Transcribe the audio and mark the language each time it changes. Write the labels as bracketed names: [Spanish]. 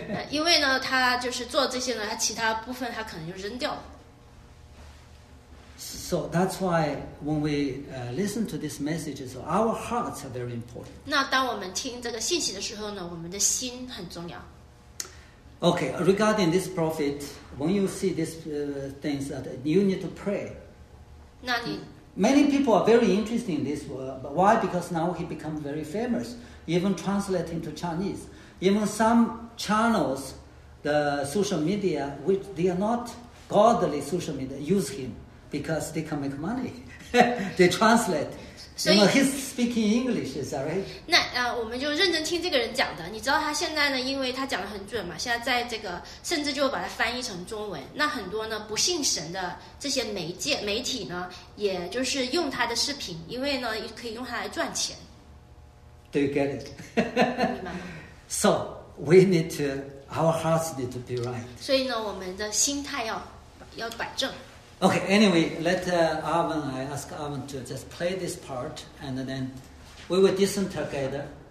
[Chinese] 因为呢，他就是做这些呢，他其他部分他可能就扔掉了。 [English] So that's why when we listen to this message, so our hearts are very important. [Chinese] 那当我们听这个信息的时候呢，我们的心很重要。 [English] Okay, regarding this prophet, when you see these things, that you need to pray. [Chinese] 那你。 [English] Many people are very interested in this word. Why? Because now he becomes very famous, even translating to Chinese. Even some channels, the social media, which they are not godly social media, use him because they can make money. They translate. So you know, he's speaking English, is that right? [Chinese] 那我们就认真听这个人讲的。你知道他现在呢，因为他讲得很准嘛，现在在这个甚至就把它翻译成中文。那很多呢不信神的这些媒体呢，也就是用他的视频，因为呢可以用它来赚钱。 [English] Do you get it? [Chinese] 明白吗 [English] ？So we need to our hearts need to be right. [Chinese] 所以呢，我们的心态要摆正。 [English] Okay, anyway, let Arvin, I ask Arvin to just play this part, and then we will listen together.